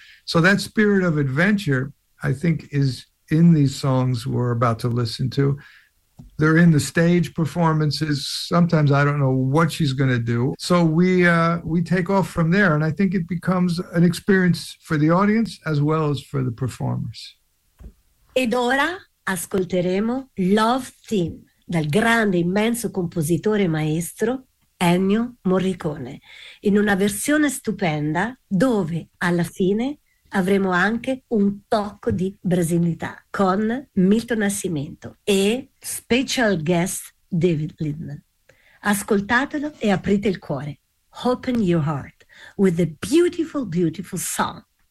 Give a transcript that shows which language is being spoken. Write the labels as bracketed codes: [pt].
[en] So that spirit of adventure, I think, is in these songs we're about to listen to. They're in the stage performances. Sometimes I don't know what she's going to do. So we take off from there. And I think it becomes an experience for the audience as well as for the performers. [it] Ed ora ascolteremo Love Theme dal grande, immenso compositore maestro Ennio Morricone in una versione stupenda dove alla fine avremo anche un tocco di brasilità con Milton Nascimento e special guest David Lindman. Ascoltatelo e aprite il cuore. [en] Open your heart with a beautiful, beautiful song.